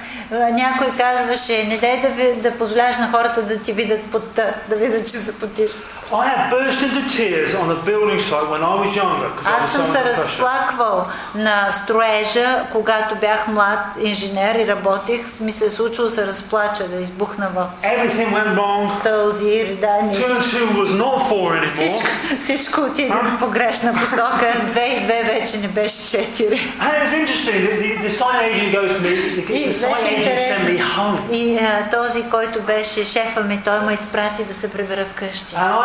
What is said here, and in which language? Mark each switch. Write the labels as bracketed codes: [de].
[bg] Някой казваше, не дай да позволяваш на хората да ти видят пота, да видят, че се потиш. [en] I have burst into tears on a building site when I was younger. [bg] Аз съм се разплаквал на строежа, когато бях млад инженер и работих. Ми се е случило се разплача да избухна в [en] everything went wrong. [bg] Сълзи и ридания. [en] Turn two was not four anymore. [bg] Всичко отиде в погрешна посока. Две и две вече не беше четири. [en] And it's interesting. The site agent goes to me. The site agent sent me home. [bg] И този, който беше шефа ми, той ме изпрати да се прибера вкъщи.